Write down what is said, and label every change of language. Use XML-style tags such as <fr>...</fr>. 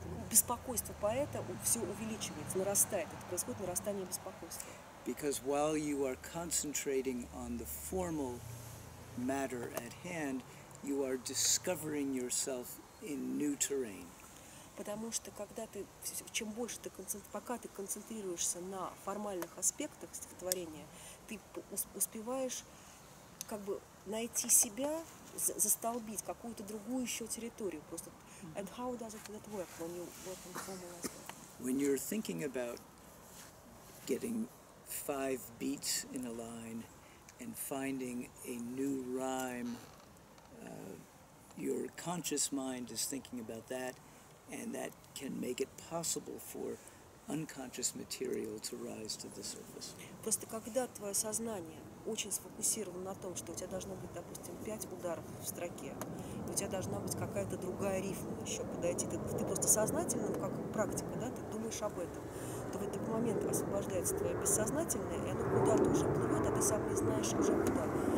<ru>Беспокойство поэта все увеличивается, нарастает. Это происходит нарастание беспокойства.</ru> <en>Because while you are concentrating on the formal matter at hand, you are discovering yourself in new terrain.</en> <ru>Потому что когда ты, чем больше ты концентрируешься на формальных аспектах стихотворения, ты успеваешь как бы найти себя, застолбить какую-то другую еще территорию просто.</ru> <en>And how does it that work when you work on formal aspect? When you're thinking about getting five beats in a line and finding a new rhyme, your conscious mind is thinking about that, and that can make it possible for unconscious material to rise to the surface.</en> <ru>Просто когда твое сознание очень сфокусировано на том, что у тебя должно быть, допустим, пять ударов в строке, у тебя должна быть какая-то другая рифма еще подойти, ты просто сознательно, как практика, да, ты думаешь об этом, то в этот момент освобождается твое бессознательное, и оно куда-то уже плывет, а ты сам не знаешь уже куда.</ru>